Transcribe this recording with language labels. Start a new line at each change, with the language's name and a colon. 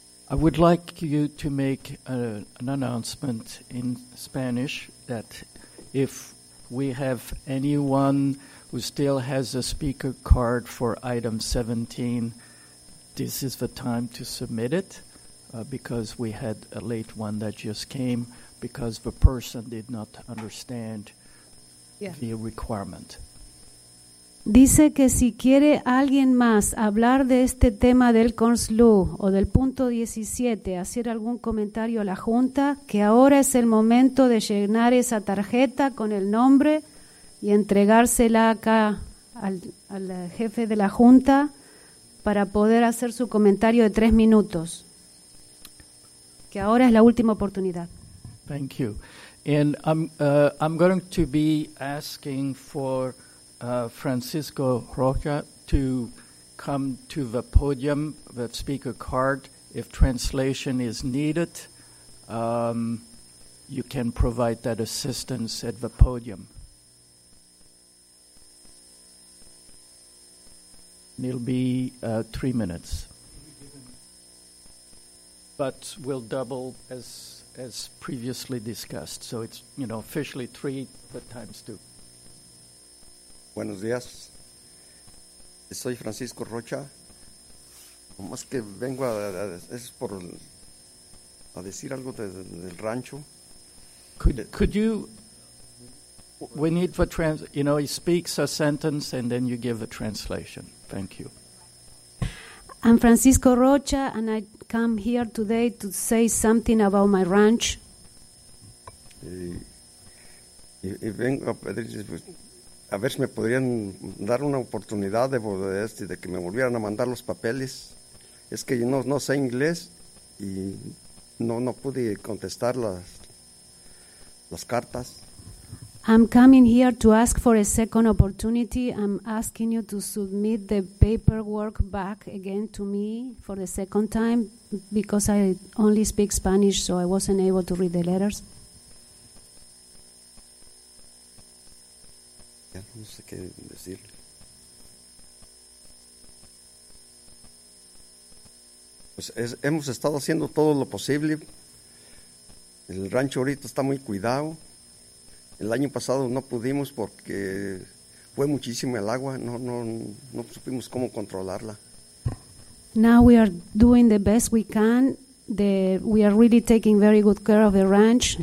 English: I would like you to make an announcement in Spanish that if we have anyone who still has a speaker card for item 17, this is the time to submit it because we had a late one that just came because the person did not understand the requirement.
Spanish: Dice que si quiere alguien más hablar de este tema del CONSLU o del punto 17, hacer algún comentario a la Junta, que ahora es el momento de llenar esa tarjeta con el nombre y entregársela acá al jefe de la Junta para poder hacer su comentario de 3 minutos, que ahora es la última oportunidad.
English: Thank you. And I'm going to be asking for Francisco Rocha to come to the podium, the speaker card. If translation is needed, you can provide that assistance at the podium. And it'll be 3 minutes. But we'll double as previously discussed. So it's, you know, officially 3, but times 2.
Spanish: Buenos días, soy Francisco Rocha, más que vengo a decir algo del rancho.
English: Could you, we need for trans, you know, he speaks a sentence and then you give a translation. Thank you. I'm Francisco Rocha and I come here today to say something about my ranch.
Spanish: Y vengo a pedir... A ver si me podrían dar una oportunidad de que me volvieran a mandar los papeles. Es que yo no sé inglés y no pude contestar las cartas.
English: I'm coming here to ask for a second opportunity. I'm asking you to submit the paperwork back again to me for the second time because I only speak Spanish, so I wasn't able to read the letters.
Spanish: No sé qué decir. Pues hemos estado haciendo todo lo posible. El rancho ahorita está muy cuidado. El año pasado no pudimos porque fue muchísimo el agua. No supimos cómo controlarla.
English: Now we are doing the best we can. We are really taking very good care of the ranch.